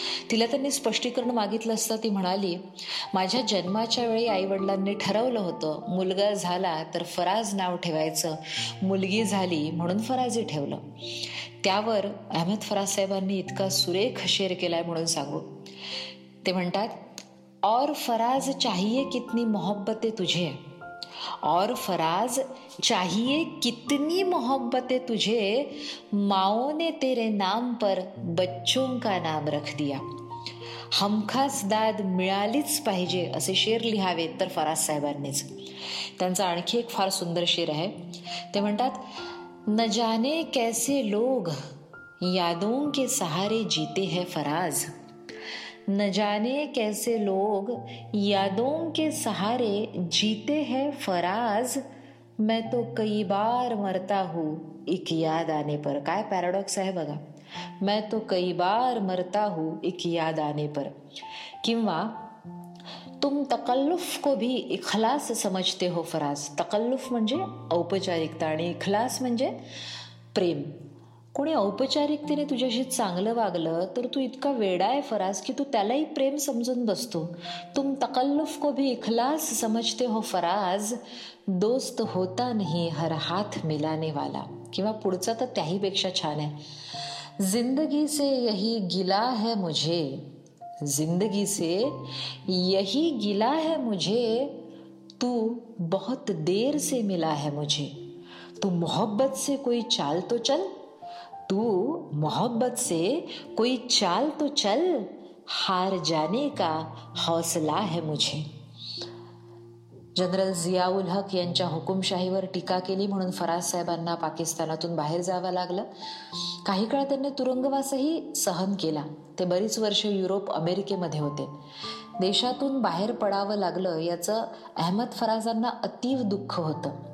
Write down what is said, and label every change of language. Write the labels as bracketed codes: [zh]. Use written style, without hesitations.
[mr] तिला त्यांनी स्पष्टीकरण मागितलं असतं, ती म्हणाली, माझ्या जन्माच्या वेळी आई वडिलांनी ठरवलं होतं मुलगा झाला तर फराज नाव ठेवायचं, मुलगी झाली म्हणून फराजी ठेवलं. त्यावर अहमद फराज साहेबांनी इतका सुरेख शेर केलाय म्हणून सांगू. ते म्हणतात, [hi] और फराज चाहिए कितनी मोहब्बत तुझे, और फराज चाहिए कितनी मोहब्बत तुझे, माओ ने तेरे नाम पर बच्चों का नाम रख दिया. [mr] हमखास दाद मिळालीच पाहिजे असे शेर लिहावे तर फराज साहेबांनीच. त्यांचा आणखी एक फार सुंदर शेर आहे. ते म्हणतात, [hi] न जाने कैसे लोग यादों के सहारे जीते है फराज, न जाने कैसे लोग यादों के सहारे जीते हैं फराज, मैं तो कई बार मरता हूँ एक याद आने पर. [mr] काय पॅराडॉक्स आहे बघा. [hi] मैं तो कई बार मरता हूँ एक याद आने पर. किंवा तुम तकल्लुफ को भी इखलास समझते हो फराज. [mr] तकल्लुफ म्हणजे औपचारिकता आणि इखलास म्हणजे प्रेम. कोणी औपचारिकतेने तुझ्याशी चांगलं वागलं तर तू इतका वेडा आहे फराज की तू त्यालाही प्रेम समजून बसतो. [hi] तुम तकल्लुफ को भी इखलास समजते हो फराज, दोस्त होता नाही हर हात मिलाने वाला. [mr] किंवा पुढचा तर त्याही पेक्षा छान आहे, [hi] जिंदगी से यही गिला है मुझे, जिंदगी से यही गिला है मुझे, तू बहुत देर से मिला है मुझे, तू मोहब्बत से कोई चाल तो चल, तू मोहब्बत से कोई चाल तो चल, हार जाने का हौसला है मुझे. [mr] जनरल जियाउल हक यांच्या हुकुमशाहीवर टीका केली म्हणून फराज साहेबांना पाकिस्तानातून बाहेर जावं लागलं. काही काळ त्यांनी तुरुंगवासही सहन केला. ते बरीच वर्ष युरोप अमेरिकेमध्ये होते. देशातून बाहेर पडावं लागलं याचं अहमद फराजांना अतीव दुःख होतं.